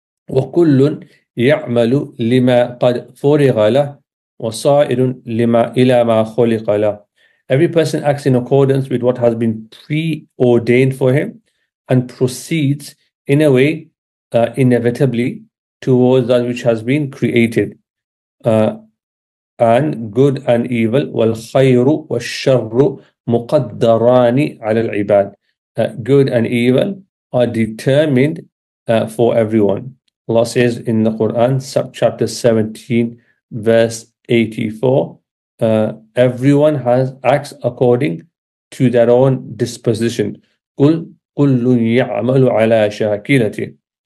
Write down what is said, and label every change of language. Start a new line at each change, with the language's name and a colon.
Arabic: وَكُلٌّ يَعْمَلُ لِمَا قَدْ فُرِغَ لَهُ وَصَائِرٌ لِمَا إِلَى مَا خُلِقَ لَهُ.
English: Every person acts in accordance with what has been preordained for him and proceeds in a way inevitably towards that which has been created. And good and evil,
Arabic: وَالْخَيْرُ وَالشَّرُّ مُقَدَّرَانِ عَلَى الْعِبَادِ.
English: Good and evil are determined for everyone. Allah says in the Quran, chapter 17, verse 84, everyone has acts according to their own disposition.
Arabic: قُلْ كُلٌّ يَعْمَلُ عَلَىٰ شَاكِلَتِهِ.